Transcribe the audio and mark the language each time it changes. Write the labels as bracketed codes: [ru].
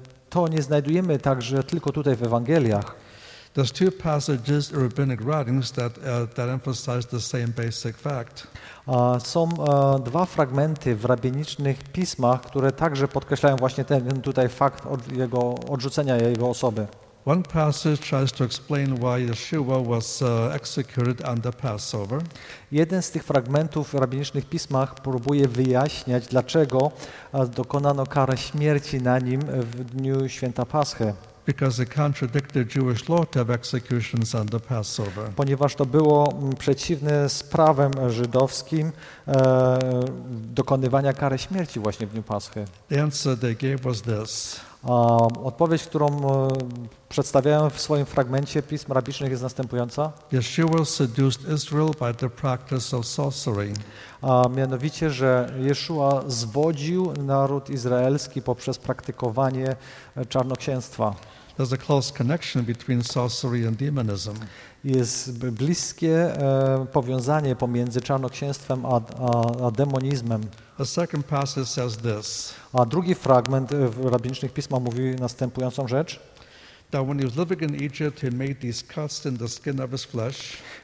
[pl] To nie znajdujemy także tylko tutaj w Ewangeliach. [en] There's two passages in rabbinic writings that emphasize the same basic fact. [pl] Są dwa fragmenty w rabinicznych pismach, które także podkreślają właśnie ten tutaj fakt jego odrzucenia jego osoby. [en] One passage tries to explain why Yeshua was executed on the Passover. [pl] Jeden z tych fragmentów w rabinicznych pismach próbuje wyjaśniać, dlaczego dokonano kary śmierci na nim w dniu święta Paschy. [en] Because it contradicted Jewish law to have executions on the Passover. [pl] Ponieważ to było przeciwne z prawem żydowskim dokonywania kary śmierci właśnie w dniu Paschy. [en] The answer they gave was this. [pl] Odpowiedź, którą przedstawiają w swoim fragmencie pism rabicznych, jest następująca. [en] Yeshua seduced Israel by the practice of sorcery. [pl] A mianowicie, że Yeshua zwodził naród izraelski poprzez praktykowanie czarnoksięstwa. [en] There's a close connection between sorcery and demonism. [pl] Jest bliskie powiązanie pomiędzy czarnoksięstwem a demonizmem. [en] The second passage says this. [pl] A drugi fragment w rabinicznych pismach mówi następującą rzecz. [en] That when he was living in Egypt, he made these cuts in the skin of his flesh.